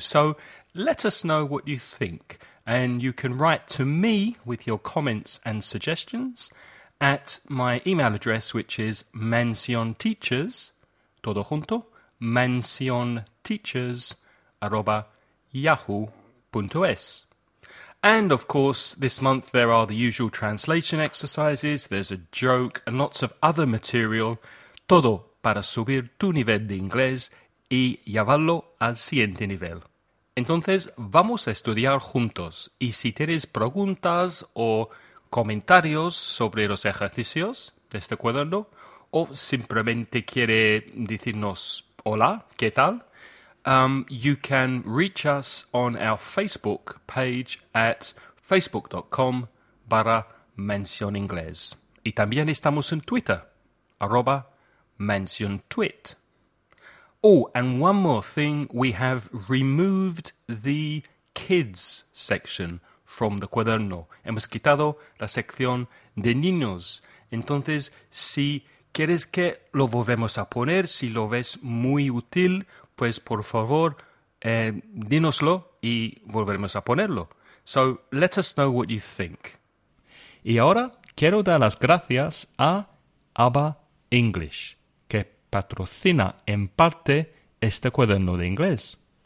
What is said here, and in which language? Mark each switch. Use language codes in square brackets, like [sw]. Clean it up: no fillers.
[en] So let us know what you think, and you can write to me with your comments and suggestions at my email address, which is mansionteachers@yahoo.es. And of course, this month there are the usual translation exercises, there's a joke and lots of other material. [es] Todo para subir tu nivel de inglés y llevarlo al siguiente nivel. Entonces, vamos a estudiar juntos. Y si tienes preguntas o comentarios sobre los ejercicios de este cuaderno, o simplemente quiere decirnos hola, ¿qué tal? [en] You can reach us on our Facebook page at facebook.com/mencioningles. [es] Y también estamos en Twitter, @MansionTwit. [en] Oh, and one more thing, we have removed the kids section from the cuaderno. [es] Hemos quitado la sección de niños. Entonces, si quieres que lo volvemos a poner, si lo ves muy útil, pues por favor, dínoslo y volveremos a ponerlo. [en] So, let us know what you think. [es] Y ahora, quiero dar las gracias a ABBA English, que patrocina en parte este cuaderno de inglés.